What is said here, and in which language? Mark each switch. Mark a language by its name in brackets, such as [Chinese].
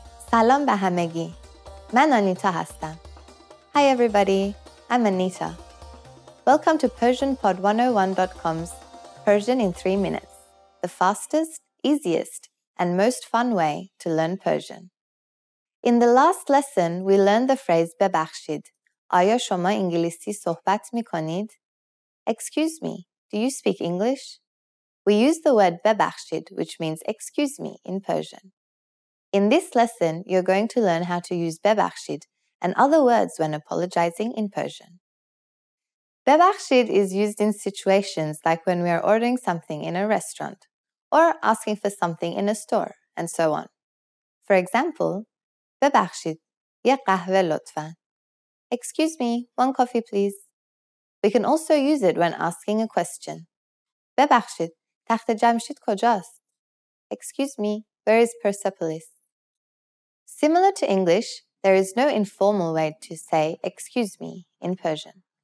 [Persian] سلام به همگی. من آنیتا هستم. [English] Hi everybody, I'm Anita. Welcome to PersianPod101.com's Persian in 3 Minutes, the fastest, easiest, and most fun way to learn Persian. In the last lesson, we learned the phrase ببخشید. [Persian] آیا شما انگلیسی صحبت میکنید? [English] Excuse me, do you speak English? We use the word ببخشید, which means excuse me in Persian. In this lesson, you're going to learn how to use ببخشید and other words when apologizing in Persian. ببخشید is used in situations like when we are ordering something in a restaurant or asking for something in a store, and so on. For example, [Persian] ببخشید یه قهوه لطفاً. [English] Excuse me, one coffee please. We can also use it when asking a question. [Persian] ببخشید تخت جمشید کجاست? [English] Excuse me, where is Persepolis? Similar to English, there is no informal way to say excuse me in Persian.